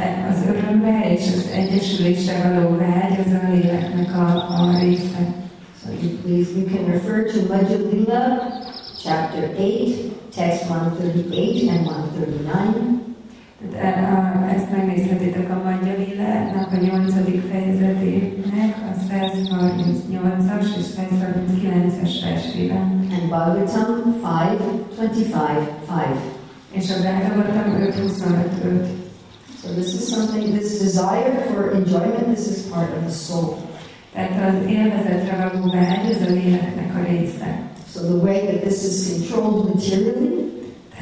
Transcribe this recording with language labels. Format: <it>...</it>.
<hu>Az örömbe és az egyesülésre való vágy az a léleknek a része.</hu> <en>So you please, you can refer to Madhulila, chapter 8, text 138 and 139.</en> <hu>Ezt megnézhetitek a Madhulilának a 8. fejezetének, a 138-as és 139-es versében.</hu> <en>And Bhagavatam 5, 25, 5.</en> <hu>És a Bhagavatam 5, 25, 5.</hu> <en>So this is something, this desire for enjoyment, this is part of the soul.</en> <hu>Tehát az élvezetre való vágy, ez a léleknek a része.</hu> <en>So the way that this is controlled materially,</en>